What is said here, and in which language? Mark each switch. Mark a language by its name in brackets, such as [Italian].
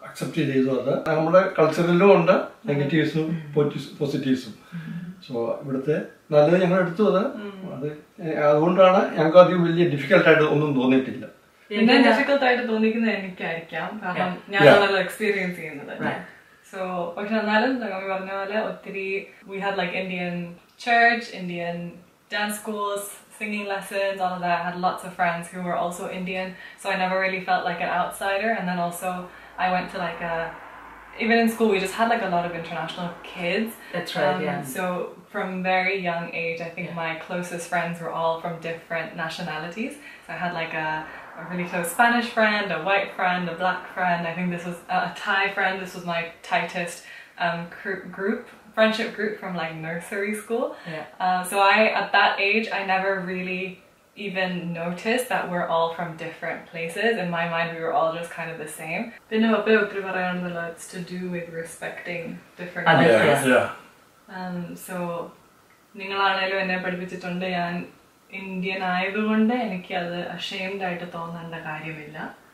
[Malayalam] Accept ചെയ്തു അത് നമ്മുടെ കൾച്ചറിലും ഉണ്ട് നെഗറ്റീവ്സും പോസിറ്റീവ്സും. സോ ഇവിടുത്തെ നല്ലത് ഞങ്ങൾ എടുത്തു അത് അത് അതുകൊണ്ടാണ് ഞങ്ങൾക്ക് അധികം വലിയ ഡിഫിക്കൽട്ട് ആയിട്ട് ഒന്നും തോന്നിയിട്ടില്ല. ഡിഫിക്കൽട്ടായിട്ട് തോന്നിക്കുന്നത് എനിക്കായിരിക്കാം, കാരണം ഞാനാണല്ലോ എക്സ്പീരിയൻസ് ചെയ്യുന്നത്. സോ പക്ഷെ എന്നാലും നമ്മൾ പറഞ്ഞ പോലെ ഒത്തിരി [English] We had like Indian church, Indian dance schools, singing lessons, all of that. I had lots of friends who were also Indian, so I never really felt like an outsider. And then also I went to like a, even in school we just had like a lot of international kids. That's right, yeah. So from very young age I think my closest friends were all from different nationalities. So I had like a really close Spanish friend, a white friend, a black friend, I think this was a Thai friend. This was my tightest friendship group from like nursery school. So I, at that age, I never really even noticed that we're all from different places. In my mind, we were all just kind of the same. [Malayalam] പിന്നെ ഒപ്പ ഒത്തിരി പറയാനുള്ളത് [English] it's to do with respecting different cultures. Yeah. [Malayalam] So നിങ്ങളാണേലും എന്നെ പഠിപ്പിച്ചിട്ടുണ്ട്, ഞാൻ Indian ആയതുകൊണ്ട് എനിക്ക് അത് ashamed ആയിട്ട് തോന്നേണ്ട കാര്യമില്ല.